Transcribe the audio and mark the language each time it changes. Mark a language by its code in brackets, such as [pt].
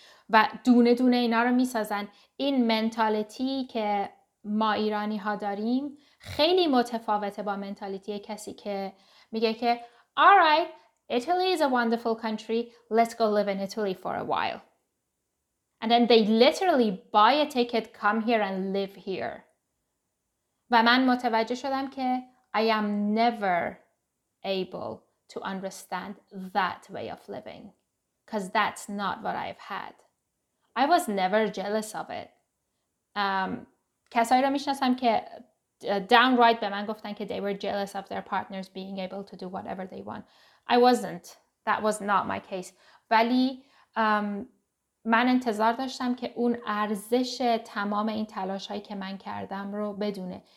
[fa] و دونه دونه اینا رو میسازن. این منتالیتی که ما ایرانی ها داریم خیلی متفاوته با منتالیتی کسی که میگه که [en] alright, Italy is a wonderful country, let's go live in Italy for a while. And then they literally buy a ticket, come here and live here. [fa] و من متوجه شدم که [en] I am never able to understand that way of living. Because that's not what I've had. I was never jealous of it. [fa] کسایی رو میشناسم که [en] downright [fa] به من گفتن که [en] they were jealous of their partners being able to do whatever they want. I wasn't. That was not my case. [fa] ولی من انتظار داشتم که اون ارزش تمام این تلاش هایی که من کردم رو بدونه.